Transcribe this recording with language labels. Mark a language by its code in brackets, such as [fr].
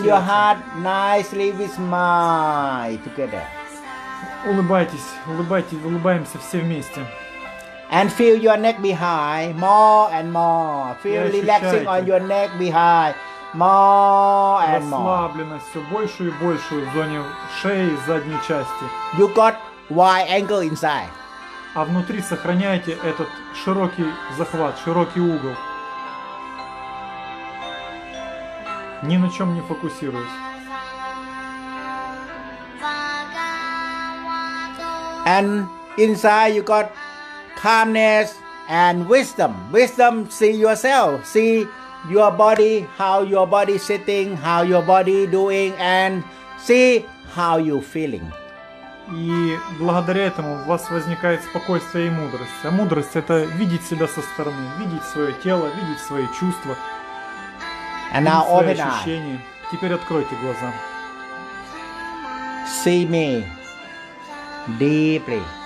[en] In your heart, nicely with smile together. [ru] Улыбайтесь, улыбаемся все вместе. [en] And feel your neck behind more and more. Feel relaxing on your neck behind more and more. [ru] Расслабленность всё больше и больше в зоне шеи и задней части. [en] You got wide angle inside. [ru] А внутри сохраняйте этот широкий захват, широкий угол. Ни на чем не фокусируюсь. [en] And inside you got calmness and wisdom. Wisdom, see yourself, see your body, how your body sitting, how your body doing, and see how you feeling. [ru] И благодаря этому у вас возникает спокойствие и мудрость. А мудрость — это видеть себя со стороны, видеть свое тело, видеть свои чувства. [en] And now open [ru] eyes. Теперь откройте глаза. [en] See me deeply.